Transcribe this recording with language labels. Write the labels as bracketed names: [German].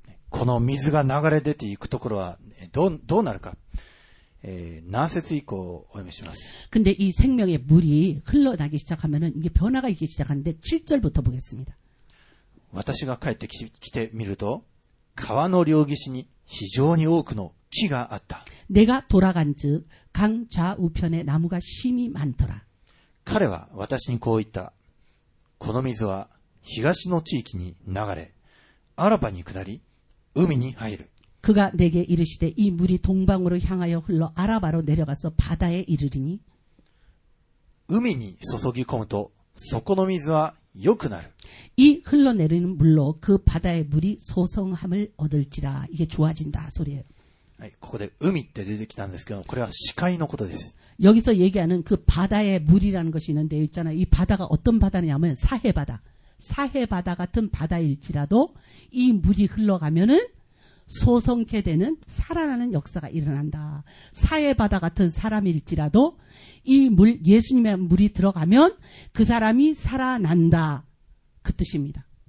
[Japanese] この水が流れ出ていくところはどうなるか、何節以降お読みします。 [Korean] 근데이생명의물이흘러나기시작하면은이게변화가있기시작하는데7절부터보겠습니다 [Japanese] 私が帰ってきてみると川の両岸に非常に多くの木があった [Korean] 내가돌아간즉강좌우편에나무가심히많더라 [Japanese] 彼は私にこう言ったこの水は東の地域に流れアラバに下り海に入る [Korean] 그가내게이르시되이물이동방으로향하여흘러아라바로내려가서바다에이르리니 [Japanese] 海に注ぎ込むとそこの水は良くなる [Korean] 이흘러내리는물로그바다의물이소성함을얻을지라이게좋아진다소리예요 [Japanese] はい、ここで海って出てきたんですけどこれは視界のことです [Korean] 여기서얘기하는그바다의물이라는것이있는데있잖아요이바다가어떤바다냐면사해바다사해바다같은바다일지라도이물이흘러가면은소성케되는살아나는역사가일어난다사해바다같은사람일지라도이물예수님의물이들어가면그사람이살아난다그뜻입니다